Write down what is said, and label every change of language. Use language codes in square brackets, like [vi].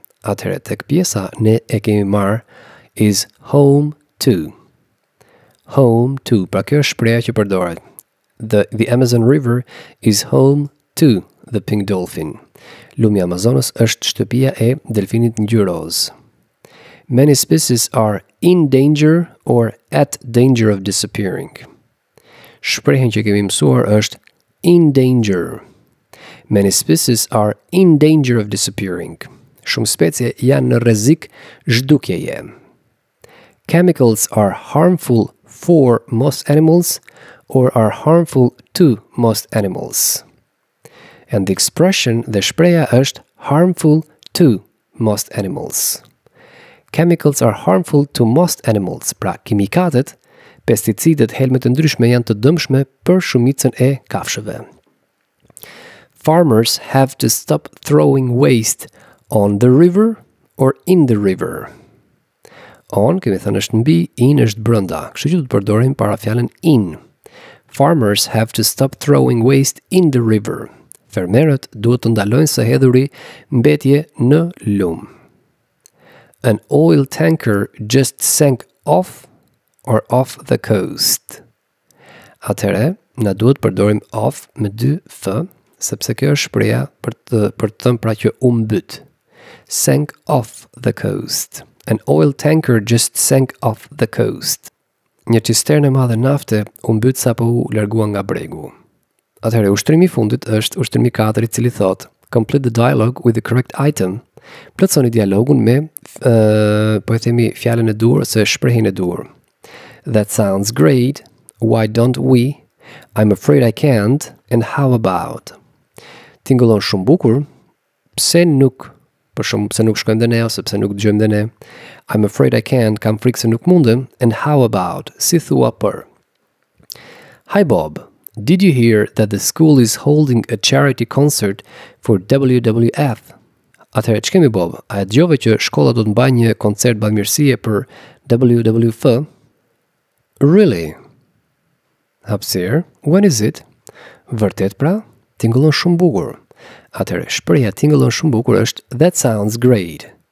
[sq] Atëherë tek pjesa ne e kemi marr [en] is home to. Home to, [sq] pra kjo është shpreha që përdoret. [en] The Amazon River is home to the pink dolphin. [sq] Lumi Amazonës është shtëpia e delfinit ngjyroz. [en] Many species are in danger or at danger of disappearing. [sq] Shprehen që kemi mësuar është [en] in danger. Many species are in danger of disappearing. [sq] Shumë specie janë në rrezik zhdukjeje. [en] Chemicals are harmful for most animals or are harmful to most animals. And the expression [sq] dhe shpreha është [en] harmful to most animals. Chemicals are harmful to most animals, [sq] pra kimikatet, pesticidet, helmet të ndryshme janë të dëmshme për shumicën e kafshëve. [en] Farmers have to stop throwing waste on the river or in the river. [sq] On, kemi thënë është mbi, in është brënda, kështu që të përdorim para fjallën in. [en] Farmers have to stop throwing waste in the river. [sq] Fermerët duhet të ndalojnë së hedhuri mbetje në lumë. [en] An oil tanker just sank off or off the coast. [sq] Atëherë, na duhet përdorim off me dy f, sepse kjo është shpreha për të thënë pra që u mbyt. [en] Sank off the coast. An oil tanker just sank off the coast. [sq] Një cisternë e madhe nafte u mbyt sapo u largua nga bregu. Atëherë, ushtrimi i fundit është ushtrimi 4 i cili thot: [en] Complete the dialogue with the correct item. [sq] Plotsoni dialogun me po e themi fjalën e duhur ose shprehin e duhur. [en] That sounds great. Why don't we? I'm afraid I can't. And how about? [sq] Tingëllon shumë bukur. Pse nuk? Për shumë, pse nuk shkojmë dhe ne ose pse nuk dëgjojmë dhe ne? [en] I'm afraid I can't. [sq] Kam frikë se nuk mundem. [en] And how about? [sq] Si thua për? [en] Hi Bob. Did you hear that the school is holding a charity concert for WWF? [sq] Atëherë, që kemi Bob? A e dëgjove që shkolla do të mbajë një koncert bamirësie për WWF? [en] Really? [sq] Hapsir, [en] when is it? [sq] Vërtet pra, tingëllon shumë bukur. Atëherë, shpreha tingëllon shumë bukur është [en] that sounds great.